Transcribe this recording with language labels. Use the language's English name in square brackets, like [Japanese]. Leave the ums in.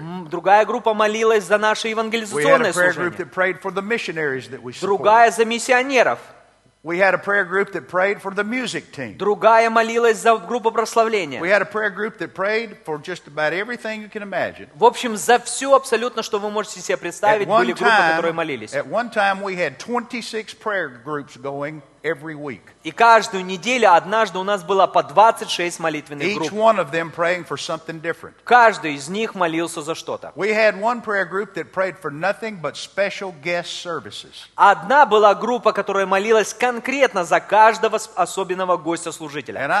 [Russian] Другая группа молилась за наше евангелизационное служение. Другая за миссионеров. [English] We had a prayer group that prayed for the music team. [Russian] Другая молилась за группу прославления. [English] We had a prayer group that prayed for just about everything you can imagine. [Russian] В общем, за всё абсолютно, что вы можете себе представить, были группы, которые молились. [English] At one time we had 26 prayer groups going every week. [Russian] И каждую неделю однажды у нас было по 26 молитвенных групп. [English] Each one of them praying for something different. [Russian] Каждый из них молился за что-то. [English] We had one prayer group that prayed for nothing but special guest services. [Russian] Одна была группа, которая молилась конкретно за каждого особенного гостя служителя.